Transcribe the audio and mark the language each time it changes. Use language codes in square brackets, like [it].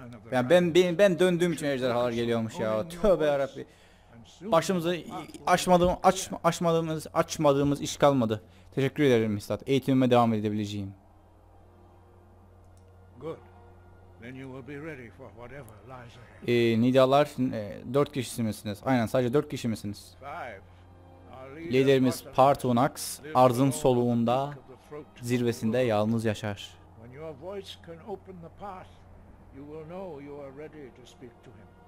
[tr] Yani ben döndüğüm için ejderhalar geliyormuş ya. Tövbe yarabbi. Başımıza açmadığımız iş kalmadı. Teşekkür ederim üstad. Eğitimime devam edebileceğim. [en] Then you will be ready for whatever lies ahead. [tr] Nidalar, 4 kişisi misiniz? Aynen, sadece 4 kişi misiniz? Liderimiz Partunax, arzın soluğunda, zirvesinde yalnız yaşar. [en] When your voice can open the path, you will know you are ready to speak to him.